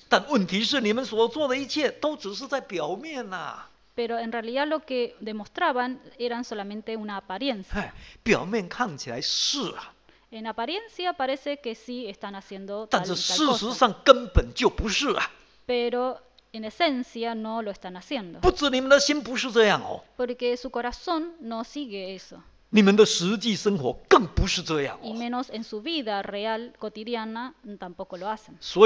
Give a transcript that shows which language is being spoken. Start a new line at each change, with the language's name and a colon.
Chinese: 但问题是你们所做的一切都只是在表面啊。
Spanish: Pero en realidad lo que demostraban eran solamente una apariencia.
Chinese: 哎, 表面看起来是啊。
Spanish: En apariencia parece que sí están haciendo tal,
Chinese: 但是事实上根本就不是啊。
Spanish: Pero en esencia no lo están haciendo.
Chinese: 不止你们的心不是这样哦,
Spanish: porque su corazón no sigue eso.
Chinese: 你们的实际生活更不是这样哦,
Spanish: y menos en su vida real cotidiana tampoco lo hacen.